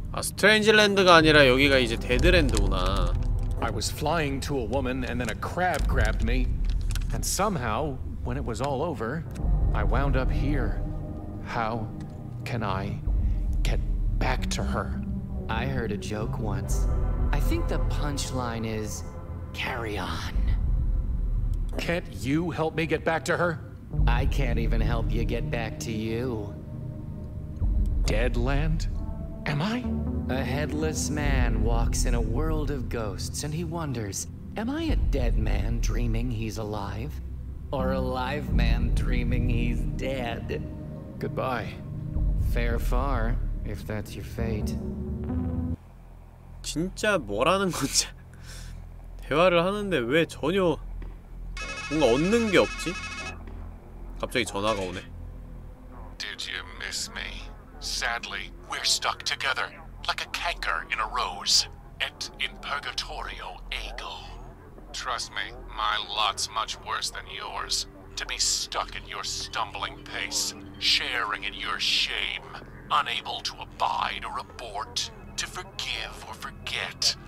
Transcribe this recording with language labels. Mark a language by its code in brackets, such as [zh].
[ko] 아, 스트레인지랜드가 아니라 여기가 이제 데드랜드구나. [en] I was flying to a woman and then a crab grabbed me. And somehow, when it was all over, I wound up here. How can I get back to her? I heard a joke once. I think the punchline is carry on. Can't you help me get back to her? I can't even help you get back to you. Deadland? Am I? A headless man walks in a world of ghosts and he wonders, am I a dead man dreaming he's alive? Or a live man dreaming he's dead? Goodbye. Fare far, if that's your fate. [ko] 진짜 뭐라는 건지 대화를 하는데 왜 전혀 뭔가 얻는 게 없지? 갑자기 전화가 오네. [en] Did you miss me? Sadly, we're stuck together like a canker in a rose. [la] Et in purgatorio ego. [en] Trust me, my lot's much worse than yours. To be stuck in your stumbling pace, sharing in your shame, unable to abide or abort, to forgive or forget.